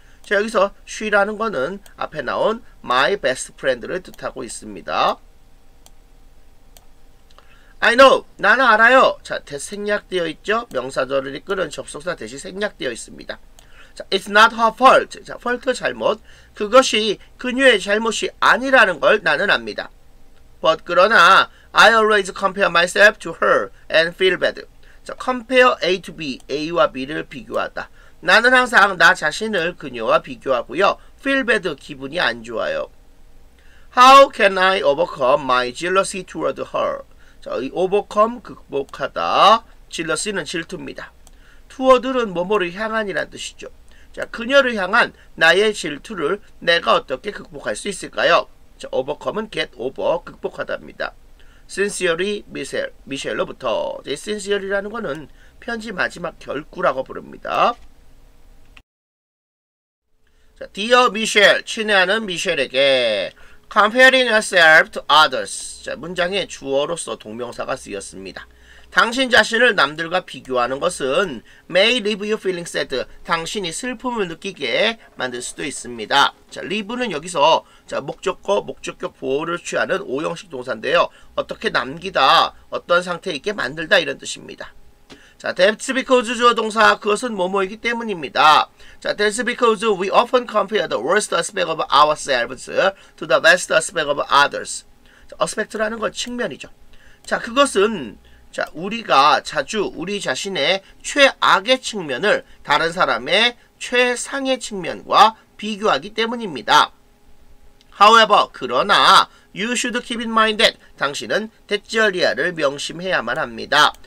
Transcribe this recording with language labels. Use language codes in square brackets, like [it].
[ko] 자, 여기서 she라는 거는 앞에 나온 my best friend를 뜻하고 있습니다. [en] I know, [ko] 나는 알아요. 자, 생략되어 있죠. 명사절을 이끄는 접속사 대시 생략되어 있습니다. [en] 자, it's not her fault. 자, fault 잘못. [ko] 그것이 그녀의 잘못이 아니라는 걸 나는 압니다. [en] But [ko] 그러나, [en] I always compare myself to her and feel bad. [ko] 자, compare A to B. A와 B를 비교하다. 나는 항상 나 자신을 그녀와 비교하고요. feel bad. 기분이 안 좋아요. [en] How can I overcome my jealousy toward her? [ko] 자, overcome, 극복하다. jealousy는 질투입니다. toward는 뭐뭐를 향한이란 뜻이죠. 자, 그녀를 향한 나의 질투를 내가 어떻게 극복할 수 있을까요? 자, overcome은 get over, 극복하다입니다. sincerely, Michelle, Michelle로부터. 이 sincerely라는 거는 편지 마지막 결구라고 부릅니다. [en] 자, dear Michelle, [ko] 친애하는 Michelle에게. [en] Comparing yourself to others. [ko] 자, 문장의 주어로서 동명사가 쓰였습니다. 당신 자신을 남들과 비교하는 것은 [en] may leave you feeling sad. [ko] 당신이 슬픔을 느끼게 만들 수도 있습니다. 자, leave는 여기서 자, 목적어, 목적격 보호를 취하는 5형식 동사인데요. 어떻게 남기다, 어떤 상태 있게 만들다 이런 뜻입니다. 자, that's because 주어 동사, 그것은 뭐뭐이기 때문입니다. [en] 자, that's because we often compare the worst aspect of ourselves to the best aspect of others. [ko] 자, aspect라는 건 측면이죠. 자, 그것은 자, 우리가 자주 우리 자신의 최악의 측면을 다른 사람의 최상의 측면과 비교하기 때문입니다. [en] However, 그러나 you should keep in mind that [ko] 당신은 that 절이야를 명심해야만 합니다.